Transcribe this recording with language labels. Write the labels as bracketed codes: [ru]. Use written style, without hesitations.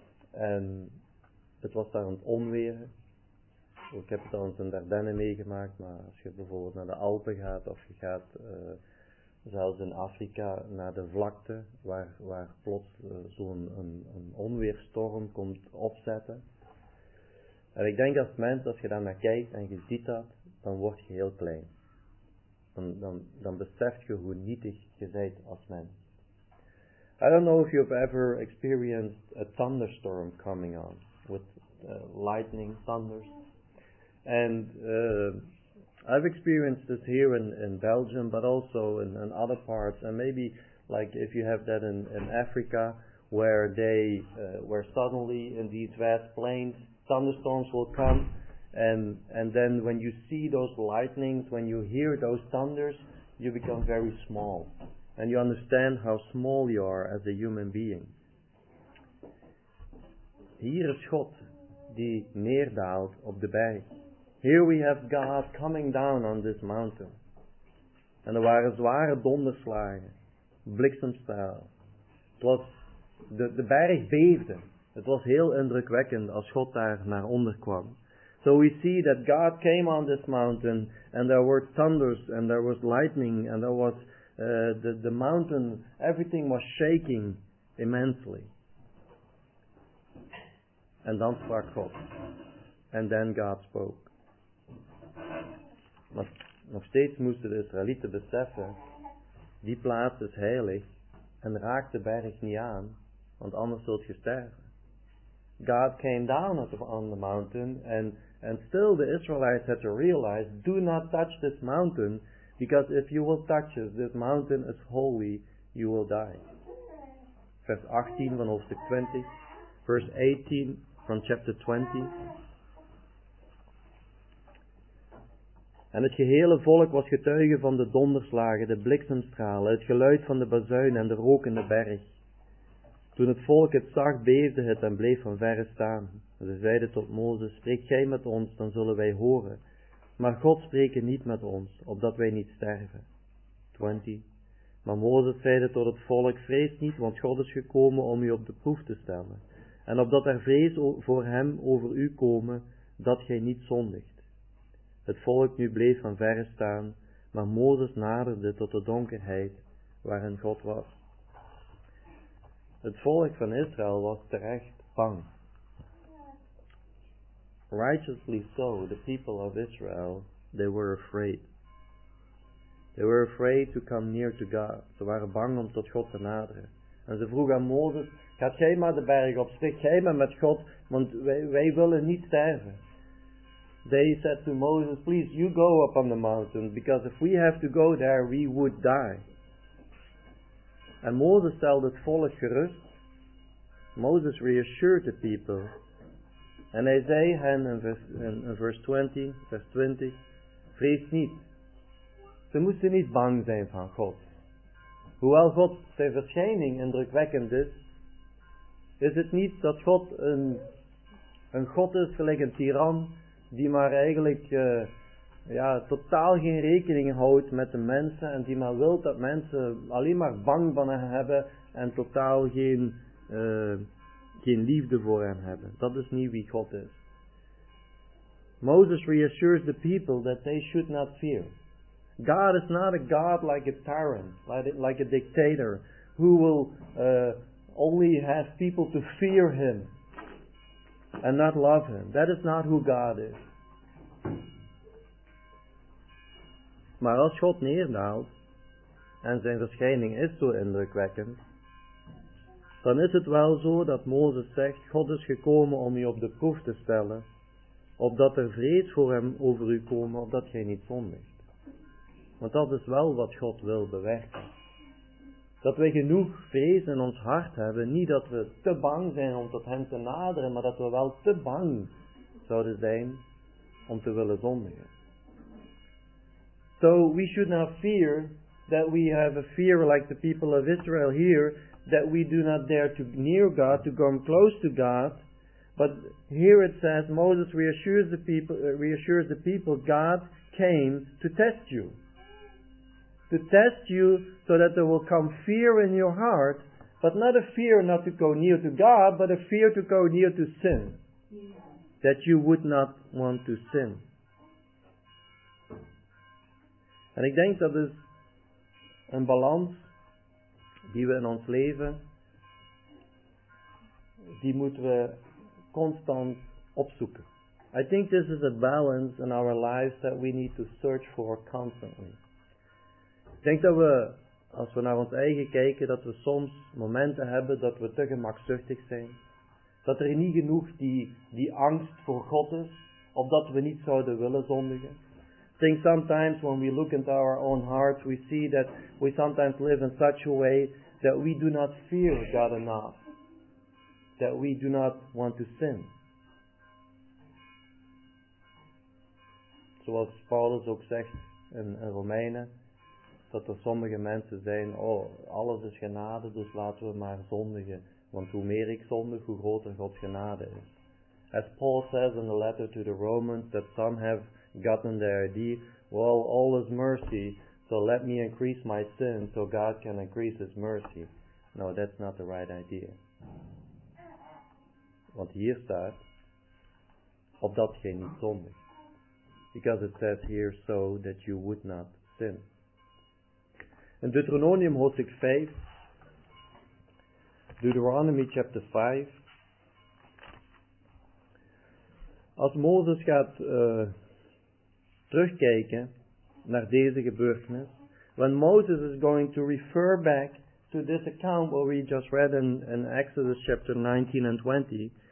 [nl] En het was daar aan het onweren. Ik heb het al eens in Dardenne meegemaakt, maar als je bijvoorbeeld naar de Alpen gaat, of je gaat zelfs in Afrika naar de vlakte, waar plots zo'n een onweerstorm komt opzetten. En ik denk als mens, als je daar naar kijkt en je ziet dat, dan word je heel klein. Dan besef je hoe nietig je bent als mens. [en] I don't know if you've ever experienced a thunderstorm coming on, with lightning, thunders. And I've experienced this here in Belgium, but also in other parts. And maybe, like, if you have that in Africa, where suddenly in these vast plains, thunderstorms will come. And then when you see those lightnings, when you hear those thunders, you become very small. And you understand how small you are as a human being. [nl] Hier is God die neerdaalt op de berg. [en] Here we have God coming down on this mountain. [nl] En er waren zware donderslagen. Bliksemstraal. Het was, de berg beefde. Het was heel indrukwekkend als God daar naar onder kwam. [en] So we see that God came on this mountain and there were thunders and there was lightning and there was the mountain, everything was shaking immensely. [nl] En dan sprak God. [en] And then God spoke. [nl] Maar nog steeds moesten de Israëlieten beseffen, die plaats is heilig en raak de berg niet aan, want anders zult je sterven. [en] God came down on the mountain and still the Israelites had to realize, do not touch this mountain, because if you will touch it, this mountain is holy, you will die. [nl] Vers 18 van hoofdstuk 20, vers 18 van chapter 20. En het gehele volk was getuige van de donderslagen, de bliksemstralen, het geluid van de bazuin en de rook in de berg. Toen het volk het zag, beefde het en bleef van verre staan. Ze zeiden tot Mozes, spreek jij met ons, dan zullen wij horen. Maar God spreekt niet met ons, opdat wij niet sterven. 20. Maar Mozes zeide tot het volk, vrees niet, want God is gekomen om u op de proef te stellen. En opdat er vrees voor hem over u komen, dat gij niet zondigt. Het volk nu bleef van verre staan, maar Mozes naderde tot de donkerheid waarin God was. Het volk van Israël was terecht bang. [en] Righteously so, the people of Israel, they were afraid. They were afraid to come near to God. [nl] Ze waren bang om tot God te naderen. En ze vroegen aan Mozes, ga jij maar de berg op, spreek jij maar met God, want wij willen niet sterven. [en] They said to Moses, please, you go up on the mountain, because if we have to go there, we would die. And Moses [nl] stelde het volk gerust. [en] Moses reassured the people. [nl] En hij zei hen in vers 20, vrees niet. Ze moesten niet bang zijn van God. Hoewel God zijn verschijning indrukwekkend is, is het niet dat God een God is gelijk een tiran, die maar eigenlijk totaal geen rekening houdt met de mensen en die maar wil dat mensen alleen maar bang van hen hebben en totaal geen liefde voor hen hebben. Dat is niet wie God is. [en] Moses reassures the people that they should not fear. God is not a God like a tyrant, like a dictator, who will only have people to fear him and not love him. That is not who God is. [nl] Maar als God neerdaalt en zijn verschijning is zo indrukwekkend, dan is het wel zo dat Mozes zegt, God is gekomen om je op de proef te stellen, opdat er vrees voor hem over u komen, opdat gij niet zondigt. Want dat is wel wat God wil bewerken. Dat wij genoeg vrees in ons hart hebben, niet dat we te bang zijn om tot hem te naderen, maar dat we wel te bang zouden zijn om te willen zondigen. [en] So we should not fear that we have a fear like the people of Israel here, that we do not dare to near God, to come close to God. But here it says, Moses reassures the people, God came to test you. To test you so that there will come fear in your heart, but not a fear not to go near to God, but a fear to go near to sin. Yeah. That you would not want to sin. [nl] En ik denk dat is een balans die we in ons leven, die moeten we constant opzoeken. [en] I think this is a balance in our lives that we need to search for constantly. [nl] Ik denk dat we, als we naar ons eigen kijken, dat we soms momenten hebben dat we te gemakzuchtig zijn. Dat er niet genoeg die angst voor God is, opdat we niet zouden willen zondigen. [en] I think sometimes when we look into our own hearts, we see that we sometimes live in such a way that we do not fear God enough. That we do not want to sin. [nl] Zoals Paulus ook zegt in Romeinen, dat er sommige mensen zijn, alles is genade, dus laten we maar zondigen. Want hoe meer ik zondig, hoe groter Gods genade is. [en] As Paul says in the letter to the Romans, that some have gotten the idea, well, all is mercy, so let me increase my sin so God can increase his mercy. No, that's not the right idea. [nl] Want hier staat, opdat gij niet zondigt. [en] Because it says here, so that you would not sin. [nl] In Deuteronomium hoofdstuk 5, [en] Deuteronomy chapter 5, [nl] als Mozes gaat terugkijken naar deze gebeurtenis, [en] when Moses is going to refer back to this account what we just read in Exodus chapter 19 and 20,